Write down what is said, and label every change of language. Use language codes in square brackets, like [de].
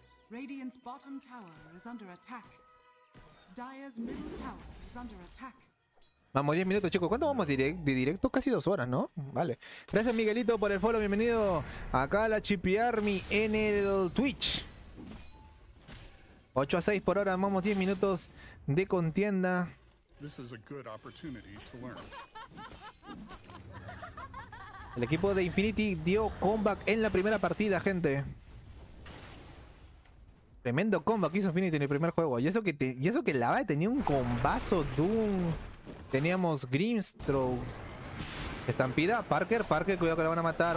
[en] Radiant's bottom tower is under attack. Dire's middle tower is under attack. [es] Vamos, 10 minutos, chicos. ¿Cuánto vamos de directo? Casi 2 horas, ¿no? Vale. Gracias, Miguelito, por el follow. Bienvenido acá a la Chippy Army en el Twitch. 8 a 6 por hora. Vamos, 10 minutos de contienda. [en] This is a good opportunity to learn. [es] El equipo de Infinity dio comeback en la primera partida, gente. Tremendo comeback hizo Infinity en el primer juego. Y eso que Lava tenía un combazo Doom... Teníamos Grimstroke, Estampida, Parker, cuidado que la van a matar.